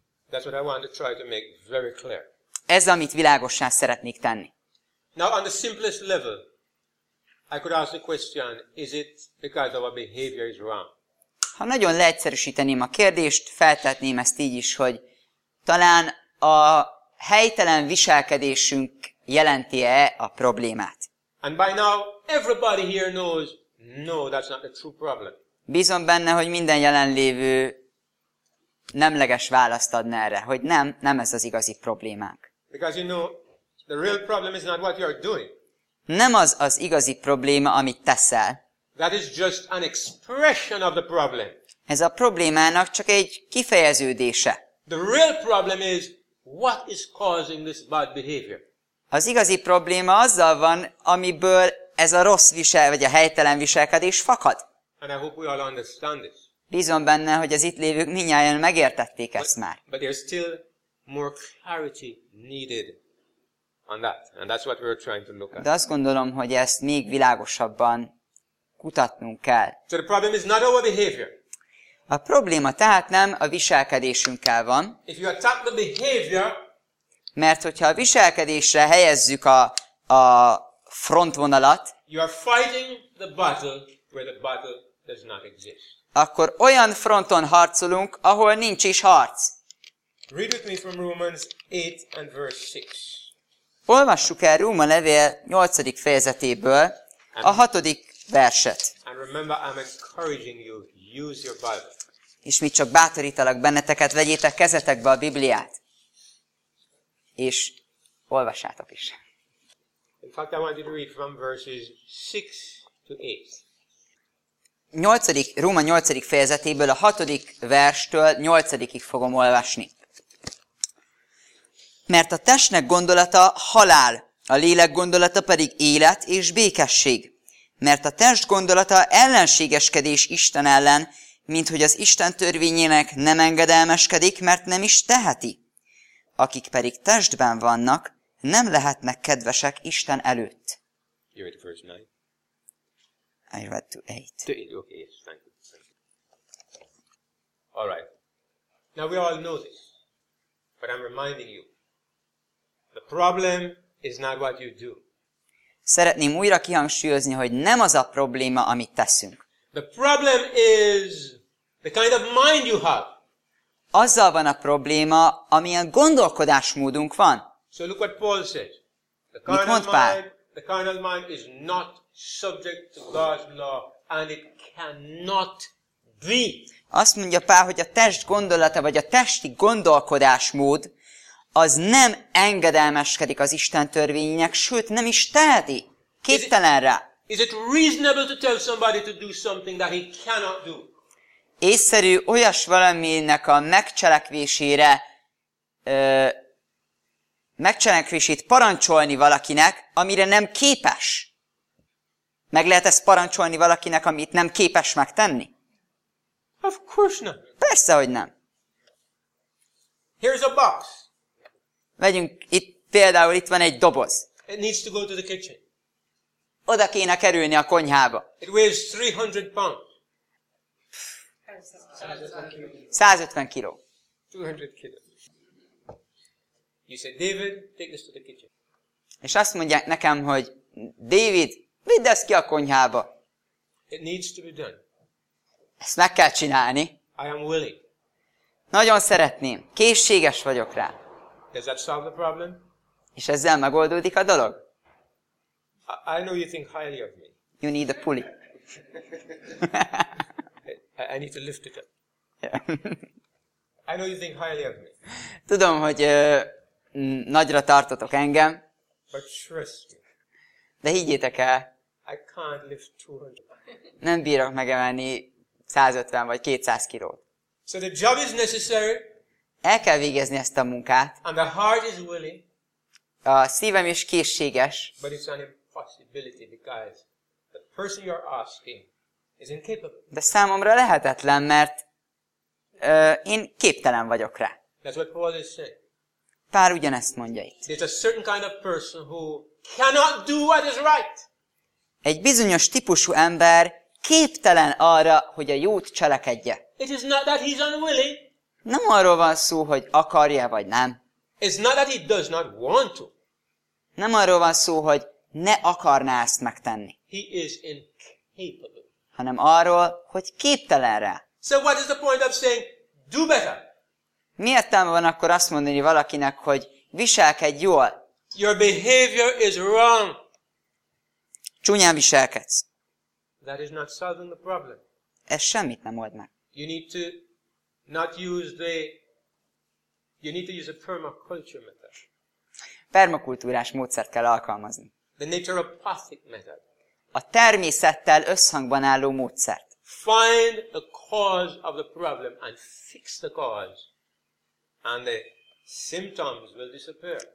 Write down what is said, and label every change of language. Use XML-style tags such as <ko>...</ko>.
<en>That's what I want to try to make very clear.</en> <hu>Ez, amit világossá szeretnék tenni.</hu> <en>Now on the simplest level, I could ask the question: is it because our behavior is wrong?</en> <hu>Ha nagyon leegyszerűsíteném a kérdést, feltetném ezt így is, hogy talán a helytelen viselkedésünk jelenti-e a problémát?</hu> <en>And by now, everybody here knows, no, that's not the true problem.</en> <hu>Bízom benne, hogy minden jelenlévő nemleges választ adna erre, hogy nem, nem ez az igazi problémánk.</hu> <en>Because you know. The real problem is not what you are doing.</en> <hu>Nem az az igazi probléma, amit teszel.</hu> <en>That is just an expression of the problem.</en> <hu>Ez a problémának csak egy kifejeződése.</hu> <en>The real problem is what is causing this bad behavior.</en> <hu>Az igazi probléma azzal van, amiből ez a rossz viselkedés vagy a helytelen viselkedés fakad.</hu> <en>And I hope we all understand this.</en> <hu>Bízom benne, hogy az itt lévők mindnyájan megértették ezt már.</hu> <en>But there's still more clarity needed. On that. And that's what we're trying to look at.</en> <hu>De azt gondolom, hogy ezt még világosabban kutatnunk kell.</hu> <en>So the problem is not our behavior.</en> <hu>A probléma tehát nem a viselkedésünkkel van.</hu> <en>If you attack the behavior,</en> <hu>mert hogyha a viselkedésre helyezzük a frontvonalat,</hu> <en>you are fighting the battle where the battle does not exist.</en> <hu>Akkor olyan fronton harcolunk, ahol nincs is harc.</hu> <en>Read with me from Romans 8 and verse 6.</en> <hu>Olvassuk el Róma levél 8. fejezetéből a 6. verset.</hu> <en>And remember, I'm encouraging you, use your Bible.</en> <hu>És mi csak bátorítalak benneteket, vegyétek kezetekbe a Bibliát. És olvassátok is.</hu> <en>In fact, I want you to read from verses 6 to 8.</en> <hu>8. Róma 8. fejezetéből a 6. verstől 8. fogom olvasni. Mert a testnek gondolata halál, a lélek gondolata pedig élet és békesség. Mert a test gondolata ellenségeskedés Isten ellen, mint hogy az Isten törvényének nem engedelmeskedik, mert nem is teheti. Akik pedig testben vannak, nem lehetnek kedvesek Isten előtt.</hu> <en>You read verse 9? I read to 8. To 8, okay, yes, thank you. All right. Now we all know this, but I'm reminding you. The problem is not what you do.</en> <hu>Szeretném újra kihangsúlyozni, hogy nem az a probléma, amit teszünk.</hu> <en>The problem is the kind of mind you have.</en> <hu>Azzal van a probléma, amilyen gondolkodásmódunk van.</hu> <en>So look what Paul says. The carnal mind, Pál? The carnal mind is not subject to God's law, and it cannot be.</en> <hu>Azt mondja Pál, hogy a test gondolata vagy a testi gondolkodásmód az nem engedelmeskedik az Isten törvényének, sőt, nem is teheti. Képtelen rá.</hu> <en>Is it reasonable to tell somebody to do something that he cannot do?</en> <hu>Észszerű olyas valaminek a megcselekvésére, megcselekvését parancsolni valakinek, amire nem képes? Meg lehet ezt parancsolni valakinek, amit nem képes megtenni?</hu> <en>Of course not.</en> <hu>Persze, hogy nem.</hu> <en>Here's a box.</en> <hu>Vegyünk, itt például itt van egy doboz.</hu> <en>It needs to go to the kitchen.</en> <hu>Oda kéne kerülni a konyhába.</hu> <en>It weighs 300 pounds.</en> <hu>150 kiló. 200 kiló.</hu> <en>You say, David, take this to the kitchen.</en> <hu>És azt mondják nekem, hogy David, vidd ezt ki a konyhába.</hu> <en>It needs to be done.</en> <hu>Ezt meg kell csinálni.</hu> <en>I am willing.</en> <hu>Nagyon szeretném. Készséges vagyok rá.</hu> <en>Does that solve the problem?</en> <hu>És ezzel megoldódik a dolog?</hu> <en>I know you think highly of me. You need a pulley. I need to lift it up. Yeah. I know you think highly of me.</en> <hu>Tudom, hogy nagyra tartotok engem.</hu> <en>But trust me.</en> <hu>De higgyétek el.</hu> <en>I can't lift 200.</en> <hu>Nem bírok megemelni 150 vagy 200 kilót.</hu> <en>So the job is necessary.</en> <hu>El kell végezni ezt a munkát.</hu> <en>And the heart is willing.</en> <hu>A szívem is készséges.</hu> <en>But it's an impossibility because the person you're asking is incapable.</en> <hu>De számomra lehetetlen, mert én képtelen vagyok rá.</hu> <en>That's what Paul is saying.</en> <hu>Pár ugyanezt mondja itt.</hu> <en>There's a certain kind of person who cannot do what is right.</en> <hu>Egy bizonyos típusú ember képtelen arra, hogy a jót cselekedje.</hu> <en>It is not that he's unwilling.</en> <hu>Nem arról van szó, hogy akarja vagy nem.</hu> <en>It's not that he does not want to.</en> <hu>Nem arról van szó, hogy ne akarná ezt megtenni.</hu> <en>He is incapable.</en> <hu>Hanem arról, hogy képtelen rá.</hu> <en>So what is the point of saying, do better?</en> <hu>Mi értelme van akkor azt mondani valakinek, hogy viselkedj jól?</hu> <en>Your behavior is wrong.</en> <hu>Csúnyán viselkedsz.</hu> <en>That is not solving the problem.</en> <hu>Ez semmit nem old meg.</hu> <en>You need to not use the a permaculture method.</en> <hu>Permakultúrás módszert kell alkalmazni.</hu> <en>The naturopathic method.</en> <hu>A természettel összhangban álló módszert.</hu> <en>Find the cause of the problem and fix the cause and the symptoms will disappear.</en>